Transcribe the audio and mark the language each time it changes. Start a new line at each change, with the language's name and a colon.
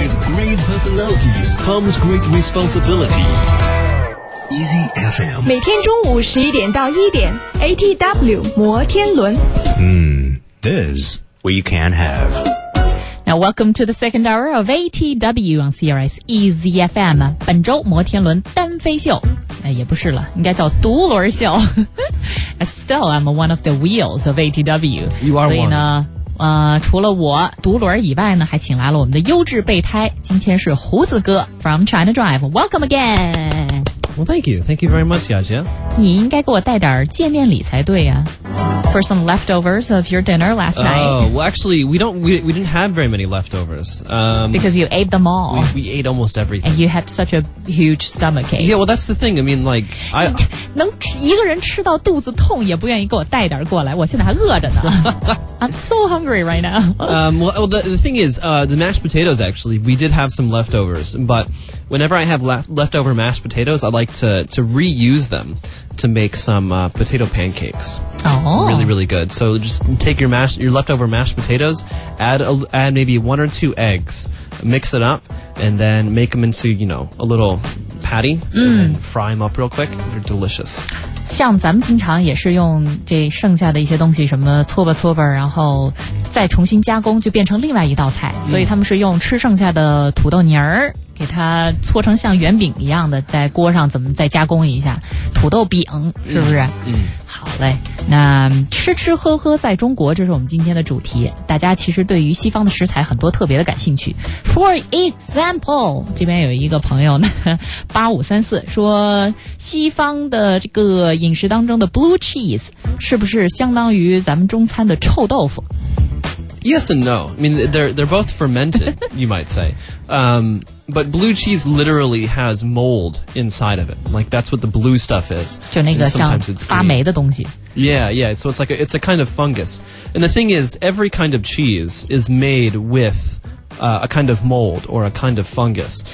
English: with great personalities comes great responsibility easy FM
Chinese: 每天中午十一点到一点 ATW 摩天轮
English: this we can have Now welcome to the second hour of ATW on CRS Easy FM
Chinese: 本周摩天轮单飞秀也不是了应该叫独轮秀
English: Still I'm one of the wheels of ATW You are one
Chinese: 所以呢除了我独轮以外呢还请来了我们的优质备胎今天是胡子哥
English: from China Drive Welcome again Well thank you very much 雅姐
Chinese: 你应该给我带点见面礼才对呀
English: For some leftovers of your dinner last night. Oh, well, actually, we didn't have very many leftovers. Because you ate them all. We ate almost everything. And you had such a huge stomachache. Yeah, well, that's the thing. I mean, like, I...
Chinese: 能一个人吃到肚子痛也不愿意给我带点过来。我现在还饿着呢。
English: I'm so hungry right now. the thing is, the mashed potatoes, actually, we did have some leftovers. But whenever I have leftover mashed potatoes, I like to reuse them. To make some potato pancakes. Oh. Really, really good. So just take your leftover mashed potatoes, add maybe one or two eggs, mix it up, and then make them into, you know, a little patty, and then fry them up real quick. They're delicious.
Chinese: 像咱们经常也是用这剩下的一些东西什么搓吧搓吧然后再重新加工就变成另外一道菜所以他们是用吃剩下的土豆泥儿给它搓成像圆饼一样的在锅上怎么再加工一下土豆饼是不是好嘞那吃吃喝喝在中国这是我们今天的主题大家其实对于西方的食材很多特别的感兴趣
English: For example
Chinese: 这边有一个朋友呢8534说西方的这个饮食当中的 blue cheese 是不是相当于咱们中餐的臭豆腐
English: Yes and no I mean they're both fermented you might say But blue cheese literally has mold inside of it Like that's what the blue stuff is
Chinese: 就那个像发霉的东西
English: Yeah, so it's like it's a kind of fungus. And the thing is, every kind of cheese is made with a kind of mold or a kind of fungus.